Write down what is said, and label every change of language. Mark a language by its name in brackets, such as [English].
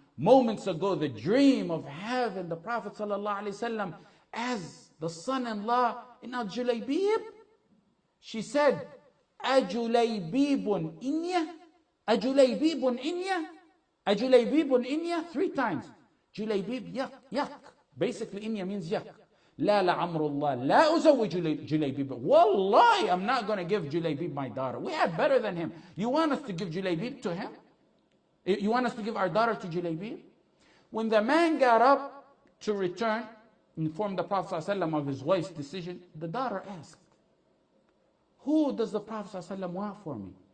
[English] Moments ago, the dream of having the Prophet sallallahu alaihi wasallam as the son-in-law, and now Julaybib? She said, A Julaybib inya? Three times. Julaybib, yuck, yuck. Basically, inya means yuck. [Arabic] لا لعمر الله لا أزوج جليبيب. [English] Wallahi, I'm not going to give Julaybib my daughter. We have better than him. You want us to give Julaybib to him? You want us to give our daughter to Julaybib? When the man got up to return, informed the Prophet ﷺ of his wife's decision, the daughter asked, who does the Prophet ﷺ want for me?